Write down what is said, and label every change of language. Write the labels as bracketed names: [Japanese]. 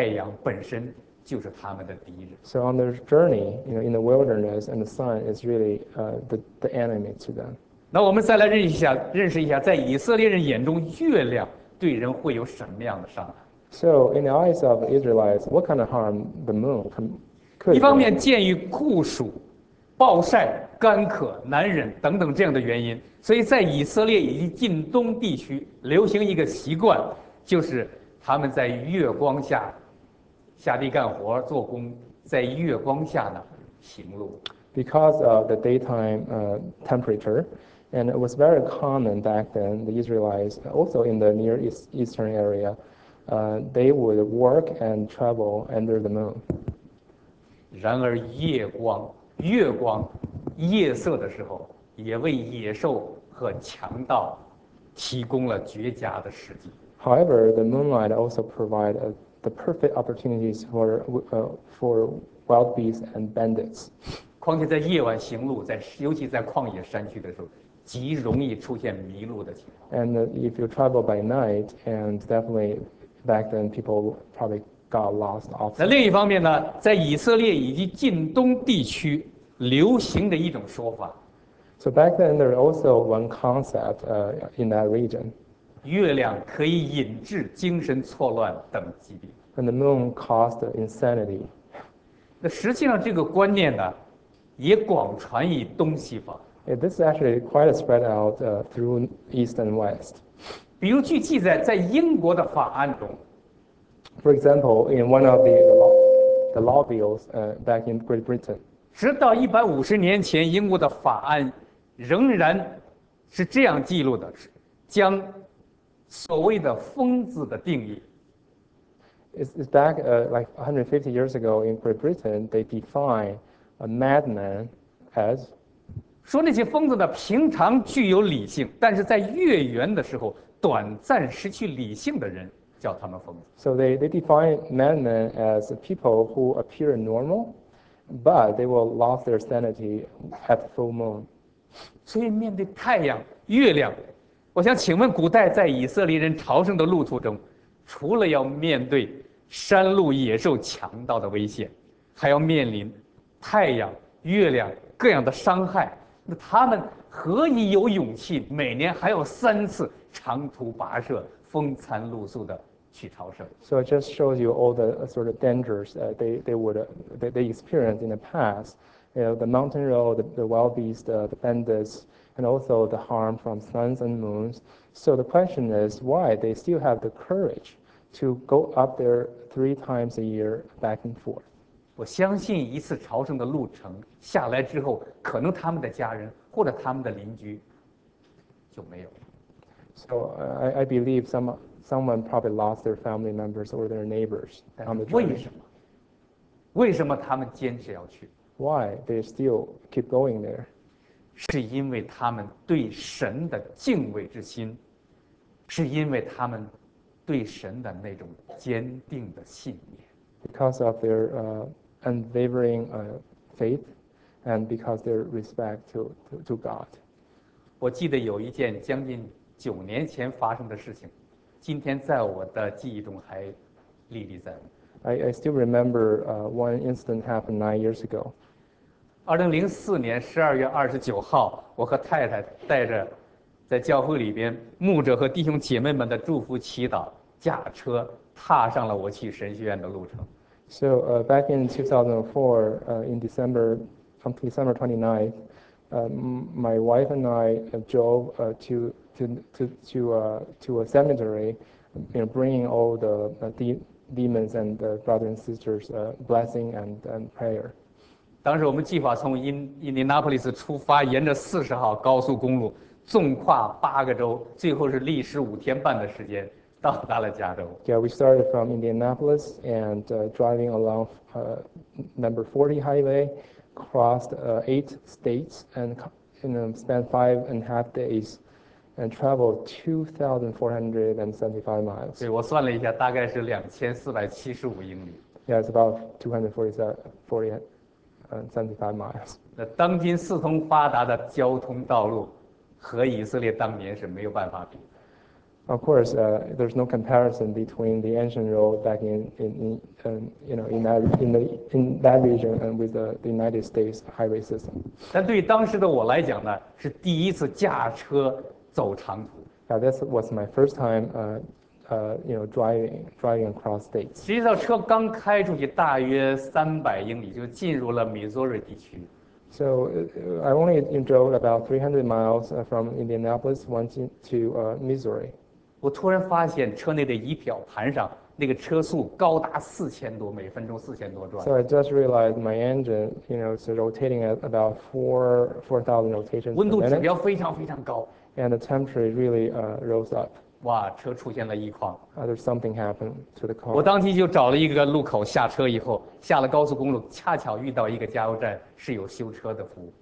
[Chinese] 所以在以色列人他们旷野的朝圣的旅途中，太阳本身就是他们的敌人。 [English] So on their journey, in the wilderness, and the sun is really the enemy to them. [Chinese] 那我们再来认识一下，在以色列人眼中，月亮对人会有什么样的伤害？ [English] So in the eyes of Israelites, what kind of harm the moon could? [Chinese] 一方面，鉴于酷暑，暴晒、干渴、难忍等等这样的原因，所以在以色列以及近东地区流行一个习惯，就是他们在月光下下地干活做工，在月光下呢行路。 [English] Because of the daytime temperature, and it was very common back then, the Israelites also in the Near Eastern area, they would work and travel under the moon. [Chinese] 然而夜光。月光夜色的时候也为野兽和强盗提供了绝佳的时机。 [English] However, the moonlight also provides the perfect opportunities for wild beasts and bandits. [Chinese] 况且在夜晚行路，在尤其在旷野山区的时候，极容易出现迷路的情况。 [English] And if you travel by night, and definitely back then people probably got lost often. [Chinese] 在另一方面呢，在以色列以及近东地区流行的一种说法。 [English] So back then, there was also one concept in that region. [Chinese] 月亮可以引致精神错乱等疾病。 [English] And the moon caused insanity. [Chinese] 那实际上这个观念呢，也广传于东西方。 [English] This is actually quite spread out through East and West. [Chinese] 比如据记载，在英国的法案中。 [English] For example, in one of the law bills back in Great Britain. [Chinese] 直到150年前，英国的法案仍然是这样记录的，将所谓的疯子的定义。 [English] It's back like 150 years ago in Great Britain, they define a madman as [Chinese] 说那些疯子呢，平常具有理性，但是在月圆的时候短暂失去理性的人。叫他们疯子。 [English] So they define madmen as people who appear normal, but they will lose their sanity at full moon. [Chinese] 所以面对太阳、月亮，我想请问古代在以色列人朝圣的路途中，除了要面对山路、野兽、强盗的危险，还要面临太阳、月亮各样的伤害。那他们何以有勇气，每年还有3次长途跋涉？风餐露宿的去朝圣。 [English] So it just shows you all the sort of dangers they experienced in the past. You know, the mountain road, the wild beast, the bandits, and also the harm from suns and moons. So the question is why they still have the courage to go up there 3 times a year back and forth. [Chinese] 我相信一次朝圣的路程下来之后，可能他们的家人或者他们的邻居就没有。 [English] So I believe someone probably lost their family members or their neighbors on the journey. [Chinese] 为什么？为什么他们坚持要去 [English] ？Why they still keep going there? [Chinese] 是因为他们对神的敬畏之心，是因为他们对神的那种坚定的信念。 [English] Because of their unwavering faith, and because their respect to God. [Chinese] 我记得有一件将近9年前发生的事情，今天在我的记忆中还历历在目。 [English] I still remember one incident happened 9 years ago. [Chinese] 2004年12月29号，我和太太带着在教会里边牧者和弟兄姐妹们的祝福祈祷，驾车踏上了我去神学院的路程。 [English] So back in 2004, in December, from December 29th, my wife and I drove to a cemetery, you know, bringing all the demons and the brothers and sisters blessing and prayer. [Chinese] 当时我们计划从印尼纳波利斯出发，沿着40号高速公路纵跨8个州，最后是历时5天半的时间到达了加州。 [English] Yeah, we started from Indianapolis and driving along number 40 highway, crossed 8 states and spent 5.5 days. And travel 2,475 miles. [Chinese] 对，我算了一下，大概是2,475英里。 [English] Yeah, it's about 2,475 miles. [Chinese] 那当今四通八达的交通道路，和以色列当年是没有办法比。 [English] Of course, there's no comparison between the ancient road back in that region and with the United States highway system. [Chinese] 但对于当时的我来讲呢，是第一次驾车。走长途。 [English] Yeah, this was my first time, driving across states. [Chinese] 实际上，车刚开出去大约300英里，就进入了密苏里地区。 [English] So I only drove about 300 miles from Indianapolis once into Missouri. [Chinese] 我突然发现车内的仪表盘上那个车速高达4000多每分钟，4000多转。 [English] So I just realized my engine, you know, is rotating at about 4000 rotations per minute. [Chinese] 温度指标非常非常高。 [English] And the temperature really rose up. [Chinese] 哇，车出现了异况。 [English] There's something happened to the car. [Chinese] 我当即就找了一个路口下车以后，下了高速公路，恰巧遇到一个加油站是有修车的服务。